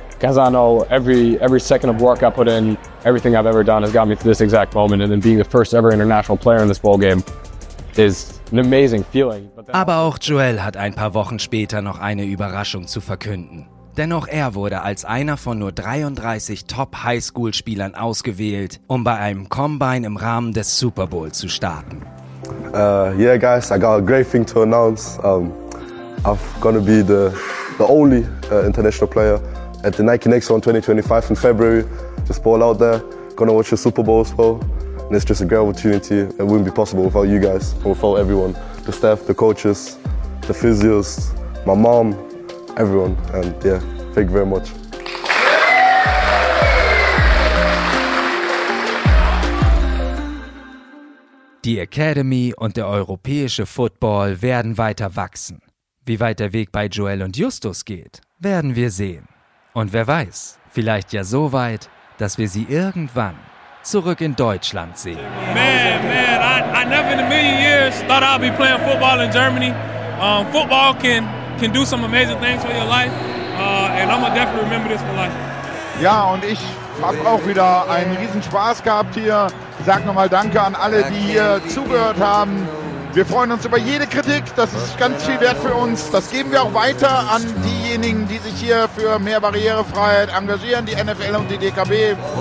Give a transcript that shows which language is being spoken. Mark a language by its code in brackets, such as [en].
[en] Because I know every second of work I put in, everything I've ever done has got me to this exact moment. And then being the first ever international player in this bowl game is an amazing feeling. [de] Aber auch Joel hat ein paar Wochen später noch eine Überraschung zu verkünden. Denn auch er wurde als einer von nur 33 Top-Highschool-Spielern ausgewählt, um bei einem Combine im Rahmen des Super Bowl zu starten. [en] Yeah, guys, I got a great thing to announce. I'm gonna be the only international player at the Nike Next One 2025 in February. Just ball out there, gonna watch the Super Bowl as well. And it's just a great opportunity. It wouldn't be possible without you guys, without everyone. The staff, the coaches, the physios, my mom. Everyone, and yeah, thank you very much. [de] Die Academy und der europäische Football werden weiter wachsen. Wie weit der Weg bei Joel und Justus geht, werden wir sehen. Und wer weiß, vielleicht ja so weit, dass wir sie irgendwann zurück in Deutschland sehen. [en] Man, I never in a million years thought I'd be playing football in Germany. Football can do some amazing things for your life and I'm gonna definitely remember this for life. [de] Ja, und ich habe auch wieder einen riesen Spaß gehabt hier. Ich sag nochmal Danke an alle, die hier zugehört haben. Wir freuen uns über jede Kritik, das ist ganz viel wert für uns. Das geben wir auch weiter an diejenigen, die sich hier für mehr Barrierefreiheit engagieren, die NFL und die DKB.